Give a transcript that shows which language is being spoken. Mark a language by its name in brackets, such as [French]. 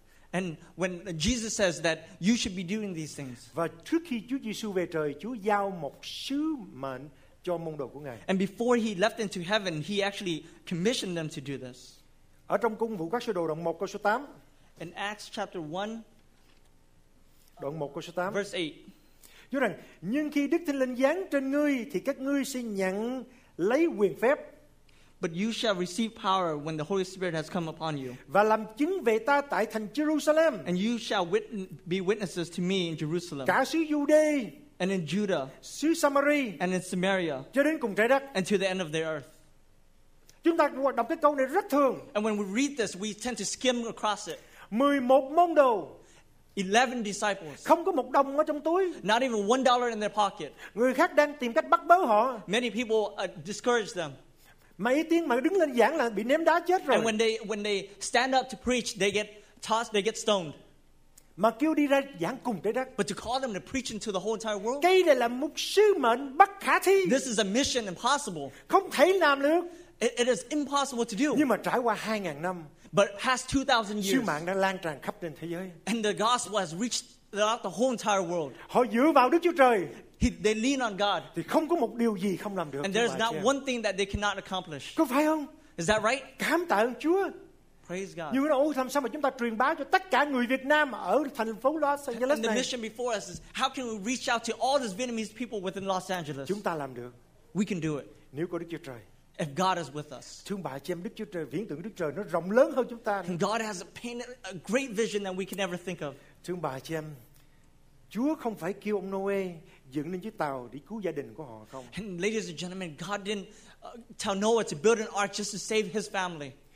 [English] And when Jesus says that you should be doing these things. [Vietnamese] Và trước khi Chúa Giêsu về trời, Chúa giao một sứ mệnh cho môn đồ của Ngài. [English] And before he left into heaven, he actually commissioned them to do this. [Vietnamese] Ở trong Công vụ các sứ đồ đoạn 1 câu số 8. [English] In Acts chapter 1 [Vietnamese] đoạn 1 câu số 8. [English] Verse 8. [Vietnamese] Nói rằng, nhưng khi Đức Thánh Linh giáng trên ngươi thì các ngươi sẽ nhận lấy quyền phép. [English] But you shall receive power when the Holy Spirit has come upon you. [Vietnamese] Và làm chứng về ta tại thành Jerusalem. [English] And you shall be witnesses to me in Jerusalem. [Vietnamese] Cả xứ Giu-đê. [English] And in Judah, [Vietnamese] xứ Samari, [English] and in Samaria, [Vietnamese] cho đến cùng trái đất, [English] and to the end of the earth. [Vietnamese] Chúng ta đọc cái câu này rất thường. [English] And when we read this, we tend to skim across it. [Vietnamese] 11 môn đồ, [English] 11 disciples, [Vietnamese] không có một đồng ở trong túi, [English] not even $1 in their pocket. [Vietnamese] Người khác đang tìm cách bắt bớ họ. [English] Many people discourage them. [Vietnamese] Mà ý tiếng mà đứng lên giảng là bị ném đá chết rồi. [English] And when they stand up to preach, they get tossed, they get stoned. [Vietnamese] Mà kêu đi ra giảng cùng trái đất. [English] But to call them to preach into the whole entire world. [Vietnamese] Cái này là một sứ mệnh bất khả thi. [English] This is a mission impossible. [Vietnamese] Không thể làm được. [English] It is impossible to do. [Vietnamese] Nhưng mà trải qua 2000 năm. [English] But past 2000 years. [Vietnamese] Sứ mạng đã lan tràn khắp trên thế giới. [English] And the gospel has reached throughout the whole entire world. [Vietnamese] Họ dựa vào Đức Chúa Trời. [English] They lean on God. [Vietnamese] Thì không có một điều gì không làm được. [English] And there is not one thing that they cannot accomplish. [Vietnamese] Có phải không? [English] Is that right? [Vietnamese] Cảm tạ ơn Chúa. [English] Praise God. [Vietnamese] Như nói, ôi, làm sao mà chúng ta truyền bá cho tất cả người Việt Nam ở thành phố Los Angeles này? [English] And the mission before us is how can we reach out to all these Vietnamese people within Los Angeles? [Vietnamese] Chúng ta làm được. [English] We can do it. [Vietnamese] Nếu có Đức Chúa Trời. [English] If God is with us. [Vietnamese] Thương bà chị em, Đức Chúa Trời, viễn tưởng Đức Trời nó rộng lớn hơn chúng ta. [English] And God has a great vision that we can never think of. [Vietnamese] Thương bà chị em, Chúa không phải kêu ông Noe dựng lên chiếc tàu để cứu gia đình của họ không? [English] And ladies and gentlemen, God didn't tell Noah to build an ark just to save his family.